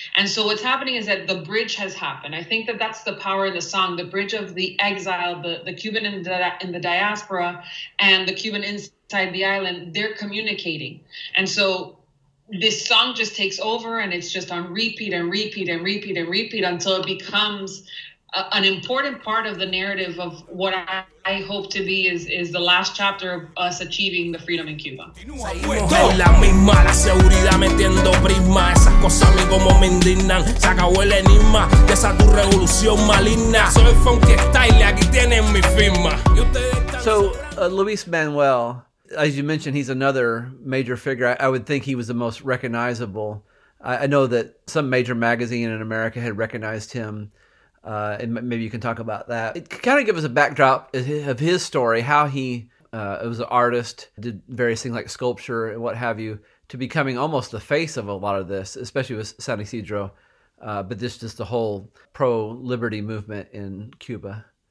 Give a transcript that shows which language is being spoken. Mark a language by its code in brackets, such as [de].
[en] And so what's happening is that the bridge has happened. I think that that's the power of the song, the bridge of the exile, the Cuban in the diaspora and the Cuban inside the island, they're communicating. And so this song just takes over, and it's just on repeat and repeat and repeat and repeat until it becomes an important part of the narrative of what I hope to be is the last chapter of us achieving the freedom in Cuba. [es] La misma la seguridad metiendo prisma, esas cosas a mí como me indignan, se acabó el enigma de esa tu revolución maligna. Soy Funky Style, aquí tienen mi firma. [en] So Luis Manuel, as you mentioned, he's another major figure. I would think he was the most recognizable. I know that some major magazine in America had recognized him. And maybe you can talk about that. It could kind of give us a backdrop of his story, how he was an artist, did various things like sculpture and what have you, to becoming almost the face of a lot of this, especially with San Isidro, but this just the whole pro-liberty movement in Cuba.